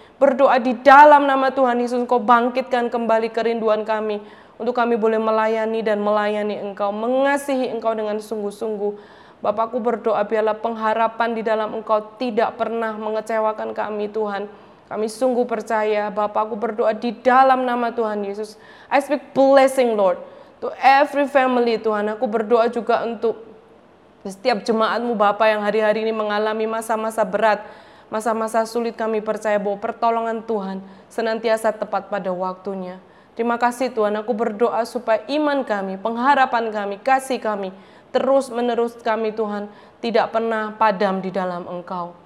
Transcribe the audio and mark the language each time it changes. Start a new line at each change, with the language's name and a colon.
Indonesian: Berdoa di dalam nama Tuhan Yesus, Kau bangkitkan kembali kerinduan kami untuk kami boleh melayani dan melayani Engkau, mengasihi Engkau dengan sungguh-sungguh. Bapakku berdoa biarlah pengharapan di dalam Engkau tidak pernah mengecewakan kami Tuhan. Kami sungguh percaya, Bapakku berdoa di dalam nama Tuhan Yesus.
English: I speak blessing, Lord, to every family, Tuhan.
Indonesian: Aku berdoa juga untuk setiap jemaat-Mu, Bapa, yang hari-hari ini mengalami masa-masa berat, masa-masa sulit, kami percaya bahwa pertolongan Tuhan senantiasa tepat pada waktunya. Terima kasih, Tuhan. Aku berdoa supaya iman kami, pengharapan kami, kasih kami, terus-menerus kami, Tuhan, tidak pernah padam di dalam Engkau.